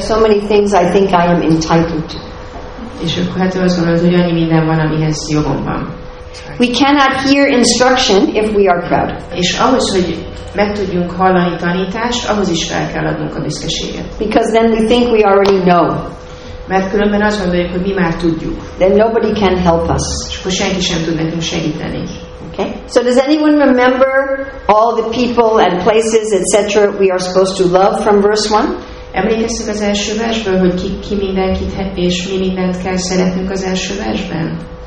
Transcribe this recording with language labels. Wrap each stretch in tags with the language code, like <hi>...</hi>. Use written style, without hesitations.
<en>so many things I think I am entitled to.</en> <hu>És akkor hát azt gondolod, hogy annyi minden van, amihez jogom van.</hu> <en>We cannot hear instruction if we are proud.</en> <hu>És ahhoz, hogy meg tudjunk hallani tanítást, ahhoz is fel kell adnunk a büszkeséget.</hu> <en>Because then we think we already know.</en> <hu>Mert különben azt gondoljuk, hogy mi már tudjuk.</hu> <en>Then nobody can help us.</en> <hu>És akkor senki sem tud nekünk segíteni.</hu> <en>Okay. So does anyone remember all the people and places, etc. we are supposed to love from verse 1?</en> <hu>Emlékeztek az első versből, hogy ki mindenkit és mi mindent kell szeretnünk az első versben?</hu>